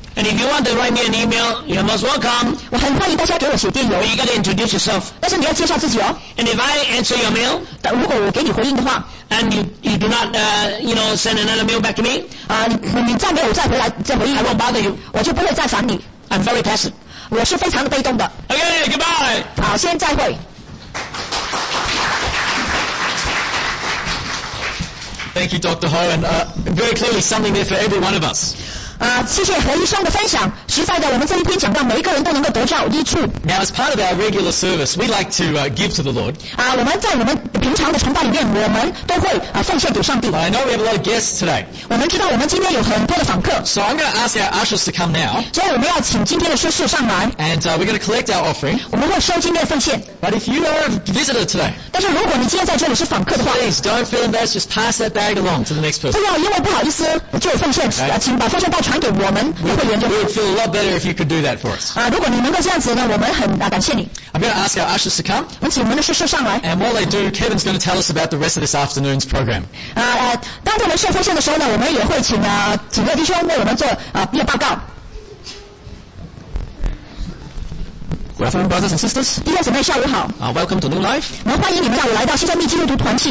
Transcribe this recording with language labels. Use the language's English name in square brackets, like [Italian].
[English] And if you want to write me an email, you're most welcome. [Chinese] 我很欢迎大家给我写电邮。 [English] But you got to introduce yourself. [Chinese] 但是你要介绍自己哦。 [English] And if I answer your mail, [Chinese] 但如果我给你回应的话。 [English] And you do not, you know, send another mail back to me. [Chinese] 你再给我再回来再回应。 [English] I won't bother you. [Chinese] 我就不会再烦你。 [English] I'm very passive. [Chinese] 我是非常的被动的。 [English] Okay, goodbye. [Chinese] 好，先再会。 [English] Thank you, Dr. Ho, and very clearly something there for every one of us. [Chinese] 谢谢何医生的分享。实在的，我们这一篇讲到每一个人都能够得到益处。 [English] Now, as part of our regular service, we like to give to the Lord. [Chinese] 我们在我们平常的崇拜里面，我们都会奉献给上帝。 [English] I know we have a lot of guests today. [Chinese] 我们知道我们今天有很多的访客。 [English] So I'm going to ask our ushers to come now. [Chinese] 所以我们要请今天的师事上来。 [English] And we're going to collect our offering. [Chinese] 我们会收今天的奉献。 [English] But if you are a visitor today, [Chinese] 但是如果你今天在这里是访客的话 [English] ，Please don't feel embarrassed. Just pass that bag along to the next person. [Chinese] 不要因为不好意思就奉献， [English] okay. [Chinese] 请把奉献袋传给我们那个员工。 [English] We would feel a lot better if you could do that for us. [Chinese] 如果你能够这样子呢，我们很感谢你。 [English] I'm going to ask our ushers to come. [Chinese] 我们请我们的师事上来。 [English] And while they do, Kevin's going to tell us about the rest of this afternoon's program. [Chinese] 当我们受奉献的时候呢，我们也会请几个弟兄为我们做毕业报告。 [English] Good afternoon, brothers and sisters. [Chinese] 弟兄姊妹，下午好。 [English] Welcome to New Life. [Chinese] 我们欢迎你们让我来到新生命基督徒团契。